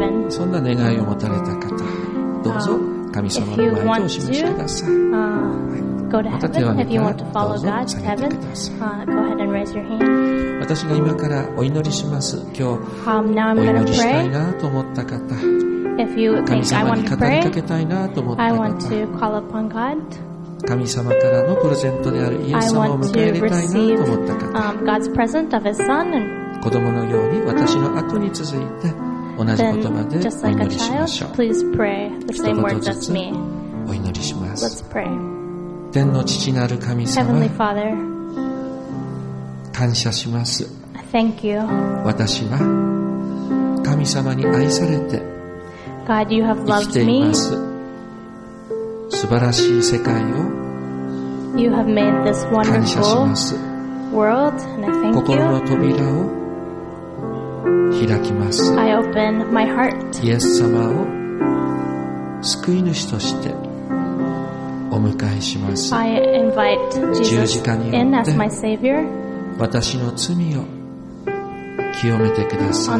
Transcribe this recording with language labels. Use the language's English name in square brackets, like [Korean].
[Japanese] そんな願いを持たれた方、どうぞ神様の前でお示しください。 [English] Go to heaven. If you want to follow God to heaven, go ahead and raise your hand. [Japanese] 私が今からお祈りします。今日、 [English] now I'm going to pray. [Japanese] お祈りしたいなと思った方、 [English] if you think I want to pray, [Japanese] 語りかけたいなと思った方、 [English] I want to call upon God. [Japanese] 神様からのプレゼントであるイエス様を迎え入れたいなと思った方、 [English] God's present of His Son. [Japanese] 子供のように私の後に続いて同じ言葉でお祈りしましょう。 [English] Please pray the same word as me. [Japanese] お祈りします。 [English] Let's pray. [Japanese] 天の父なる神様、 [English] Heavenly Father, [Japanese] 感謝します。 [English] Thank you. [Japanese] 私は神様に愛されて、 [English] God, you have loved me. [Japanese] 生きています。素晴らしい世界を、 [English] you have made this wonderful world, and I thank you. [Japanese] 心の扉を開きます。 [English] I open my heart. [Japanese] イエス様を救い主としてお迎えします。 [English] I invite Jesus [Japanese] 十字架によって [English] in as my savior. [Japanese] 私の罪を清めてください。